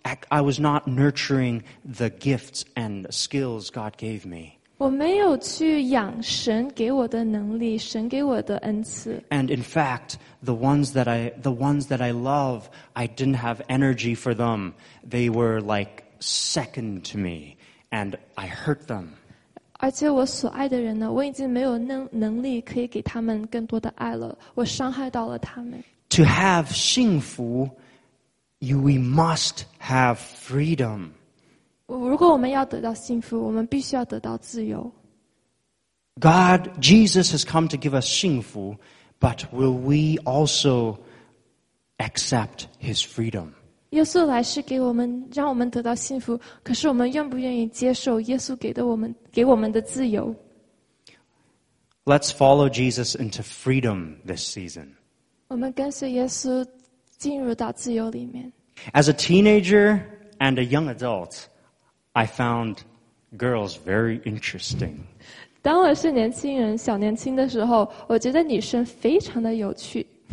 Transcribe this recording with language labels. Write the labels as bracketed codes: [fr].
[en] I was not nurturing the gifts and skills God gave me. [zh] 我没有去养神给我的能力，神给我的恩赐。 [en] And in fact, the ones that I love, I didn't have energy for them. They were like second to me, and I hurt them. [zh] 而且我所爱的人呢，我已经没有能力可以给他们更多的爱了，我伤害到了他们。 [en] To have [zh] 幸福。 [en] We must have freedom. [zh] 如果我们要得到幸福，我们必须要得到自由。 [en] God, Jesus has come to give us [zh] 幸福, [en] but will we also accept His freedom? [zh] 耶稣来是给我们，让我们得到幸福，可是我们愿不愿意接受耶稣给我们的自由？ [en] Let's follow Jesus into freedom this season. [zh] 我们跟随耶稣进入到自由里面。 [en] As a teenager and a young adult, I found girls very interesting. [zh] 当我是年轻人，小年轻的时候，我觉得女生非常的有趣。